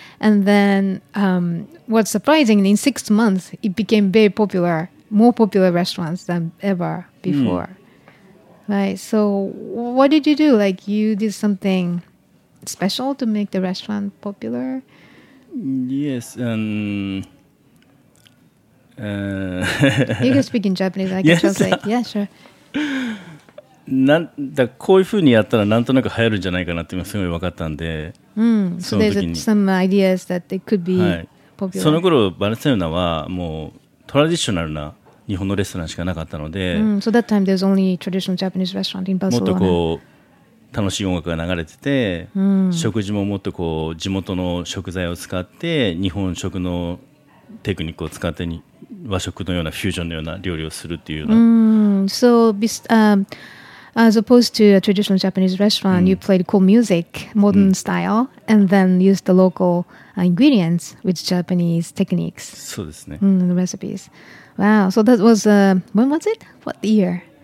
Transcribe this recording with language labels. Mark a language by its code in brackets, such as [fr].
[en] And then what's surprising, in 6 months, it became very popular, more popular restaurants than ever before. Right. So what did you do? Like you did something special to make the restaurant popular? Yes. You can speak in Japanese. I can translate. Yeah, sure. [ja] こういうふうにやったらなんとなく流行るんじゃないかなってすごい分かったんで。 [en] So there's some ideas that they could be popular. [ja] その頃バルセロナはもうトラディショナルな日本のレストランしかなかったので、 [en] So that time there's only traditional Japanese restaurant in Barcelona. [ja] もっとこう楽しい音楽が流れてて、食事ももっとこう地元の食材を使って日本食のテクニックを使ってに和食のようなフュージョンのような料理をするっていうような。 [en] So as opposed to a traditional Japanese restaurant, you played cool music, modern style, and then used the local ingredients with Japanese techniques. [ja] そうですね。 [en] And recipes. Wow, so that was, when was it? What year?